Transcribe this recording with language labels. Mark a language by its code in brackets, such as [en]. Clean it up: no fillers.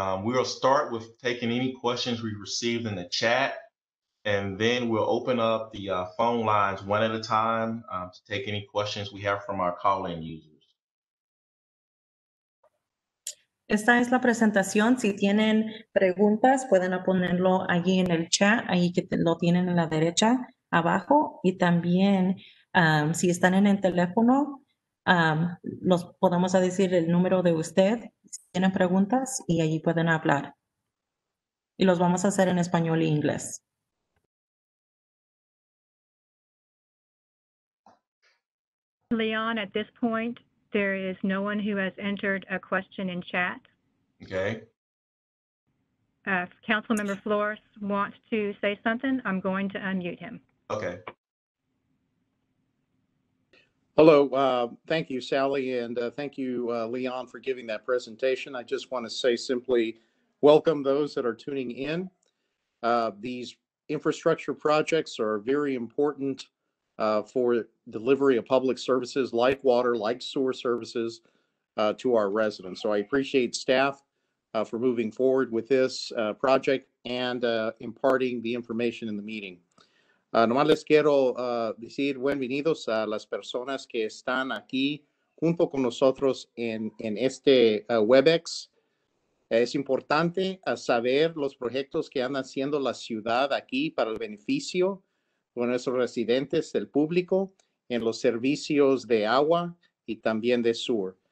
[en] We will start with taking any questions we received in the chat, and then we'll open up the phone lines one at a time to take any questions we have from our call-in users. [es] Esta es la presentación. Si tienen preguntas, pueden ponerlo allí en el chat, ahí que lo tienen en la derecha abajo. Y también, si están en el teléfono, los podemos decir el número de usted. Si tienen preguntas, y allí pueden hablar. Y los vamos a hacer en español e inglés. [en] Leon, at this point, there is no one who has entered a question in chat. Okay. If Councilmember Flores wants to say something, I'm going to unmute him. Okay. Hello. Thank you, Sally, and thank you, Leon, for giving that presentation. I just want to say simply welcome those that are tuning in. These infrastructure projects are very important for delivery of public services like water, like sewer services to our residents. So I appreciate staff for moving forward with this project and imparting the information in the meeting. [es] Nomás les quiero decir bienvenidos a las personas que están aquí junto con nosotros en este WebEx. Es importante saber los proyectos que anda haciendo la ciudad aquí para el beneficio con nuestros residentes, el público, en los servicios de agua y también de sewer.